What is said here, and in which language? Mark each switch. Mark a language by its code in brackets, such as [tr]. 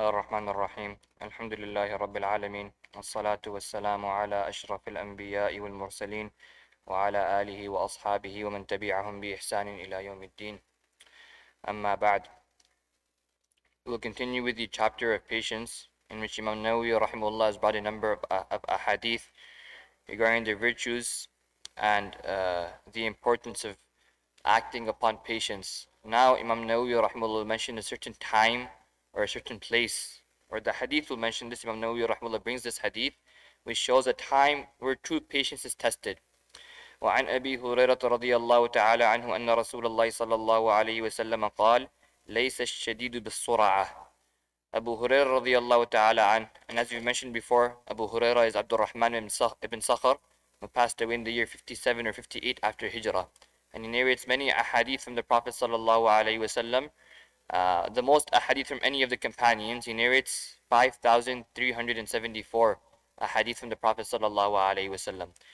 [ar] الرحمن الرحيم الحمد لله رب العالمين الصلاة والسلام على أشرف الأنبياء والمرسلين وعلى آله وأصحابه ومن تبعهم بإحسان إلى يوم الدين أما بعد. [en] We'll continue with the chapter of patience, in which Imam Nawawi rahimahullah has brought a number of ahadith regarding the virtues and the importance of acting upon patience. Now Imam Nawawi rahimahullah mentioned a certain time or a certain place, or the hadith will mention this. Imam Nawawi rahimahullah brings this hadith, which shows a time where true patience is tested. [ar] وعن أبي هريرة رضي الله تعالى عنه أن رسول الله صلى الله عليه وسلم قال ليس الشديد بالسرعة. [en] Abu Huraira [ar] رضي الله تعالى عنه, [en] and as we mentioned before, Abu Huraira is Abdul Rahman ibn Sakhr, who passed away in the year 57 or 58 after Hijrah, and he narrates many ahadith from the Prophet [ar] صلى الله عليه وسلم. [en] The most ahadith from any of the companions, he narrates 5,374 ahadith from the Prophet sallallahu alaihi wasallam.